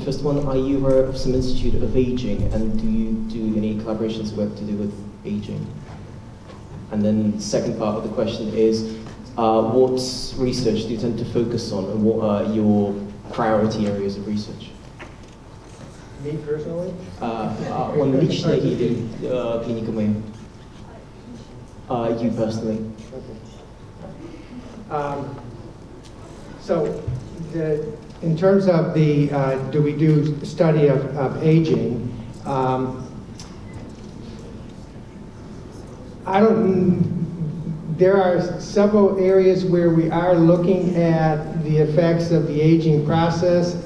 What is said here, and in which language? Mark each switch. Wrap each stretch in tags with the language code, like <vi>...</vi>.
<en>First one, are you aware of some institute of aging, and do you do any collaborations work to do with aging? And then the second part of the question is, what research do you tend to focus on, and what are your priority areas of research? Me personally?</en> <ru>On лично или клинику мэйо?</ru> <en>You personally. Okay. So, in terms of the study of aging, there are several areas where we are looking at the effects of the aging process.</en>